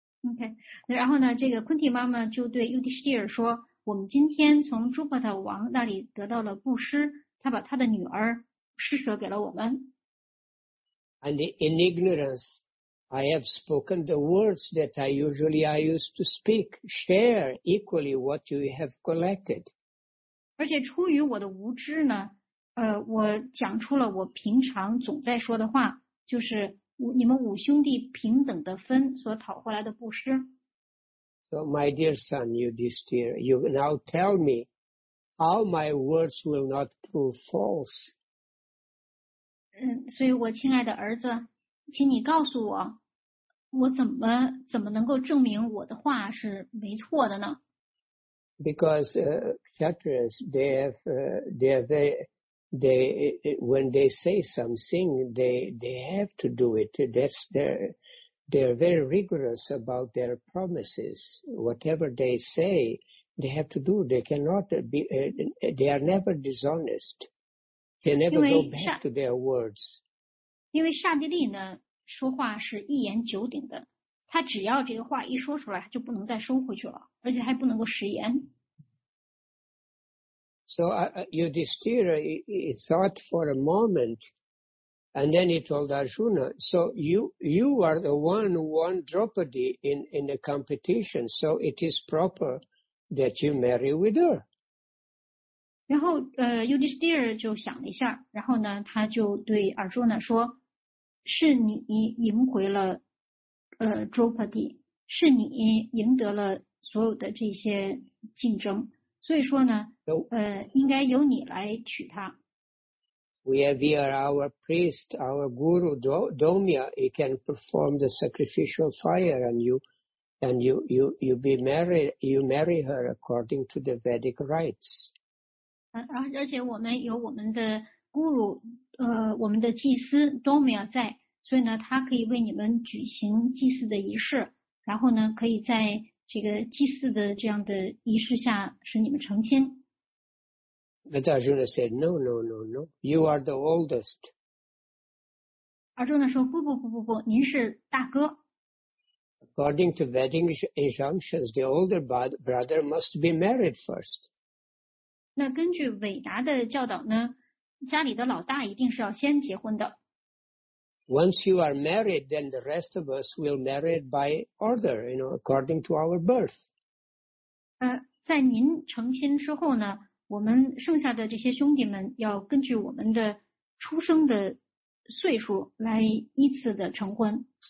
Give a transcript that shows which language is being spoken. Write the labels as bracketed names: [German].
[Chinese] Okay. 然后呢，这个昆蒂妈妈就对 Yudhisthira 说，我们今天从朱帕塔王那里得到了布施，他把他的女儿施舍给了我们。 [English] And in ignorance, I have spoken the words that I used to speak. Share equally what you have collected. [Chinese] 而且出于我的无知呢，我讲出了我平常总在说的话，就是你们五兄弟平等的分所讨回来的布施。 [English] So my dear son, Yudhisthira, you now tell me how my words will not prove false. [Chinese] 所以我亲爱的儿子，请你告诉我，我怎么能够证明我的话是没错的呢？ [English] Because Kshatriyas, they when they say something, they have to do it. That's their They are very rigorous about their promises. Whatever they say, they have to do. They cannot be, they are never dishonest. They never go back to their words. [Chinese] 因为刹帝利呢，说话是一言九鼎的。他只要这个话一说出来，就不能再收回去了，而且还不能够食言。 [English] So, Yudhisthira, he thought for a moment, and then he told Arjuna, so you are the one who won Draupadi in the competition, so it is proper that you marry with her. [Chinese] 然后Yudhisthira 就想了一下，然后呢他就对 Arjuna 说，是你赢回了Draupadi， 是你赢得了所有的这些竞争，所以说呢应该由你来娶她。 [English] We have here our priest, our guru, Domya. He can perform the sacrificial fire, and you be married. You marry her according to the Vedic rites. [Chinese] 而且我们有我们的 guru, 我们的祭司 Domya 在，所以呢，他可以为你们举行祭祀的仪式，然后呢，可以在这个祭祀的这样的仪式下使你们成亲。 [English] But Arjuna said, no, you are the oldest. [Chinese] Arjuna 说不，您是大哥。 [English] According to Vedic injunctions, the older brother must be married first. [Chinese] 那根据伟达的教导呢，家里的老大一定是要先结婚的。 [English] Once you are married, then the rest of us will marry by order, you know, according to our birth. [Chinese] 在您成亲之后呢，我们剩下的这些兄弟们要根据我们的出生的岁数来依次的成婚。